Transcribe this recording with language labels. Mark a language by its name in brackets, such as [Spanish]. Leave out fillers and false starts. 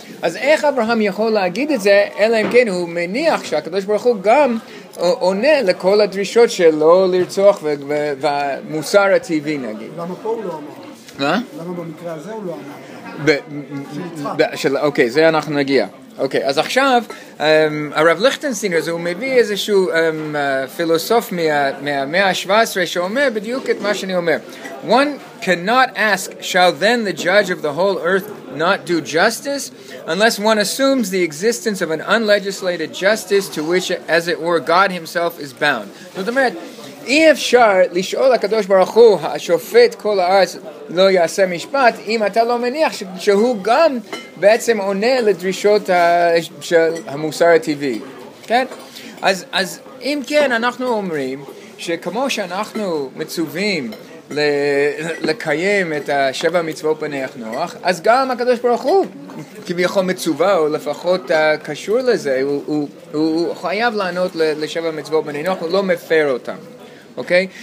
[Hebrew] אז איך אברהם יכול להגיד את זה, אלא אם כן הוא מניח שהקדוש ברוך הוא גם עונה לכל הדרישות של לא לרצוח והמוסר הטבעי נגיד. למה פה הוא לא אמר? מה? למה במקרה הזה הוא לא אמר? של יצחק. אוקיי, זה אנחנו נגיע. אוקיי, אז עכשיו הרב ליכטנשטיין הזה, הוא מביא איזשהו פילוסוף מהמאה ה-17 שאומר בדיוק את מה שאני אומר. [English] One cannot ask, shall then the judge of the whole earth not do justice, unless one assumes the existence of an unlegislated justice to which, as it were, God himself is bound. [Hebrew] זאת אומרת, אי אפשר לשאול הקדוש ברוך הוא, השופט כל הארץ לא יעשה משפט, אם אתה לא מניח שהוא גם בעצם עונה לדרישות של המוסר הטבעי. כן? אז אם כן, אנחנו אומרים שכמו שאנחנו מצווים לקיים את השבע מצוות בני נוח, אז גם הקדוש ברוך הוא כביכול מצווה, או לפחות קשור לזה, הוא חייב לענות לשבע מצוות בני נוח, הוא לא מפר אותם. אוקיי?